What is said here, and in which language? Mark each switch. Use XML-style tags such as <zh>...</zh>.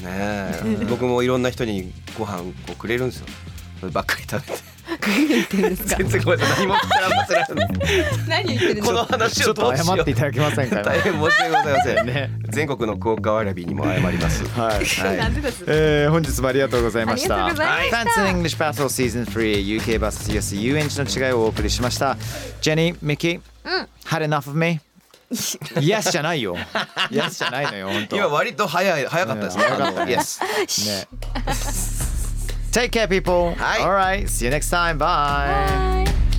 <ja>ね、僕もいろんな人にご飯をくれるんですよ、そればっかり食べて全然ごめんなさい、何も膨らませられない何言ってるんですか、この話をどうしよう、ちょっと謝っていただけませんか大変申し訳ございません、ね、全国のクオカワラビにも謝りますはい、はい、本日もありがとうございました。ありがとうございました。</ja> <en>Fans in English Battle Season 3 UK vs US UNG</en> <ja>の違いをお送りしました。ジェニー、ミキ、うん、</ja> <en>Had enough of me</en> <ja>イエスじゃないよ。イエスじゃないのよ、本当。今割と早かったですね。早かった。イエス。ね。</ja> <en>Take care, people.</en> <ja>はい。</ja> <en>All right. See you next time. Bye. Bye.</en>